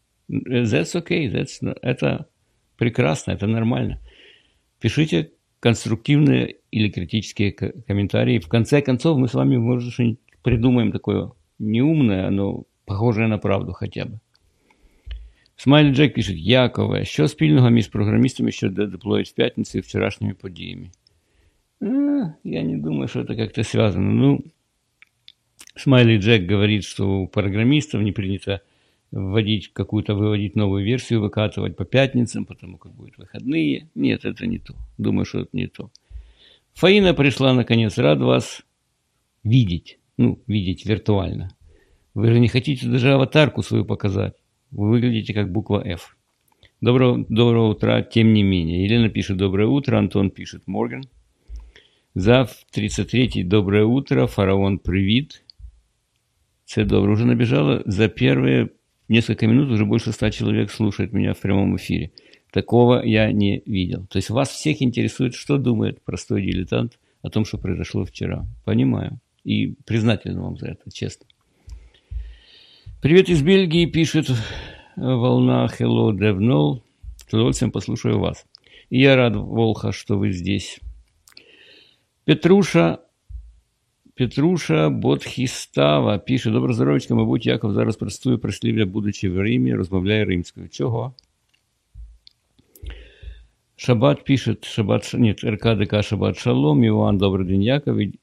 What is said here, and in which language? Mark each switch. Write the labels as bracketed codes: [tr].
[en] That's okay, [ru] это прекрасно, это нормально. Пишите конструктивные или критические комментарии. В конце концов, мы с вами можем что-нибудь придумаем такое неумное, но похожее на правду хотя бы. Смайли Джек пишет: Якове, що спільного між програмістами, що деплоїть в п'ятницю і вчорашніми подіями? Я не думаю, що це як-то зв'язано. Ну, Смайли Джек говорить, [uk] що у програмістів [ru] не прийнято вводить какую-то, выводить новую версию, выкатывать по пятницам, потому как будут выходные. Нет, это не то. Думаю, что это не то. Фаина пришла, наконец, рад вас видеть. Ну, видеть виртуально. Вы же не хотите даже аватарку свою показать. Вы выглядите как буква F. Доброго утра, тем не менее. Елена пишет: доброе утро. Антон пишет: Морган. Зав 33-й, доброе утро. Фараон, привет. [uk] Це добро. [ru] Уже набежала за первые несколько минут уже больше 100 человек слушает меня в прямом эфире. Такого я не видел. То есть вас всех интересует, что думает простой дилетант о том, что произошло вчера. Понимаю. И признателен вам за это, честно. Привет из Бельгии, пишет Волна. [en] Hello, DevNol. [ru] С удовольствием послушаю вас. И я рад, Волха, что вы здесь. [uk] Петруша Бодхістава пише: добро здоровечко, мабуть, Яков зараз простує прислів'я, будучи в Римі, розмовляє римською. Чого? Шабат пише: Шабат, ні, РКДК, Шабат Шалом, Іван, добрий день, Яков.